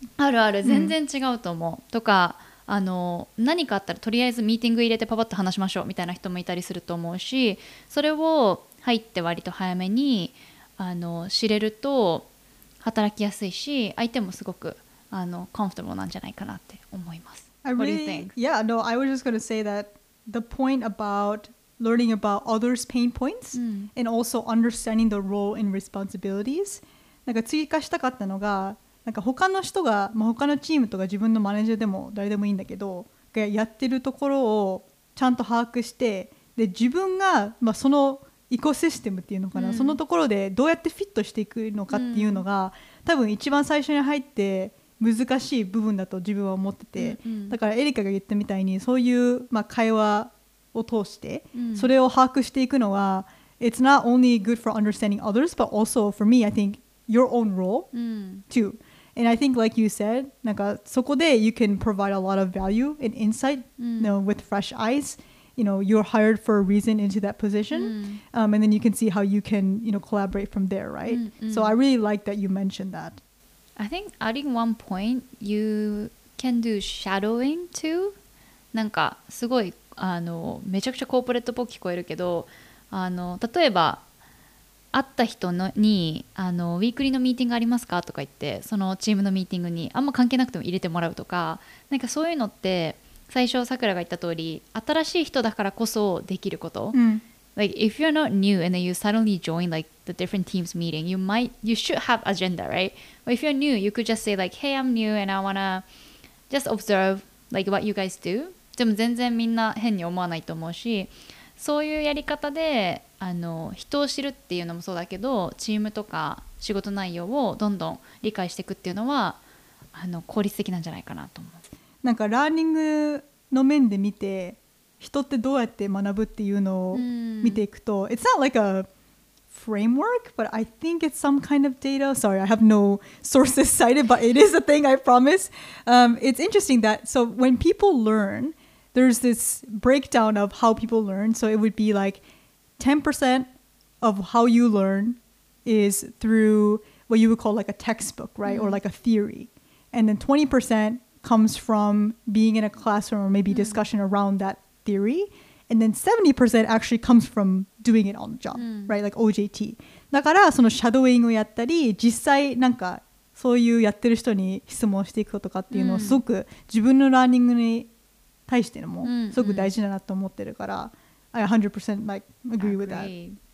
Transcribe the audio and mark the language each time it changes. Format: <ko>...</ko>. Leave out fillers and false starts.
<ja>あるある、全然違うと思う、うん、とか何かあったらとりあえずミーティング入れてパパッと話しましょうみたいな人もいたりすると思うし、それを入って割と早めに知れると働きやすいし、相手もすごくコンフォータブルなんじゃないかなって思います。</ja> <en>I really, What do you think? Yeah, no, I was just gonna say that the point aboutlearning about others' pain points、</en> <ja>うん、</ja> <en>and also understanding the role and responsibilities.</en> <ja>なんか追加したかったのが、なんか他の人が、まあ、他のチームとか自分のマネージャーでも誰でもいいんだけど、やってるところをちゃんと把握して、で自分が、まあ、そのエコシステムっていうのかな、うん、そのところでどうやってフィットしていくのかっていうのが、うん、多分一番最初に入って難しい部分だと自分は思ってて、うんうん、だからエリカが言ったみたいに、そういう、まあ、会話を通してそれを把握していくのは、うん、</ja> <en>It's not only good for understanding others, but also for me, I think your own role、</en> <ja>うん、</ja> <en>too. And I think, like you said, so こで you can provide a lot of value and insight, you know, with fresh eyes. You know, you're hired for a reason into that position. And then you can see how you can, you know, collaborate from there, right? So I really like that you mentioned that. I think adding one point, you can do shadowing too.</en> <ja>なんかすごいめちゃくちゃコーポレートっぽく聞こえるけど、例えば会った人のにウィークリーのミーティングありますかとか言って、そのチームのミーティングにあんま関係なくても入れてもらうとか、なんかそういうのって最初さくらが言った通り新しい人だからこそできること、</ja> <en>Like if you're not new and then you suddenly join like the different teams meeting, you might, you should have agenda, right? But if you're new, you could just say like, hey, I'm new and I wanna just observe like what you guys do.</en> <ja>でも全然みんな変に思わないと思うし、そういうやり方で人を知るっていうのもそうだけど、チームとか仕事内容をどんどん理解していくっていうのは効率的なんじゃないかなと思う。なんかラーニングの面で見て人ってどうやって学ぶっていうのを見ていくと、</ja> <en>It's not like a framework, but I think it's some kind of data. Sorry, I have no sources cited, but it is a thing, I promise. It's interesting that, so when people learn, there's this breakdown of how people learn. So it would be like 10% of how you learn is through what you would call like a textbook, right? Or like a theory. And then 20% comes from being in a classroom or maybe discussion around that theory. And then 70% actually comes from doing it on the job, right? Like OJT.</en> <ja>だからそのシャドウイングをやったり、実際なんかそういうやってる人に質問していくとかっていうのをすごく自分のラーニングに対してのもすごく大事だなと思ってるから、</ja> <en>I 100% like agree with that.</en>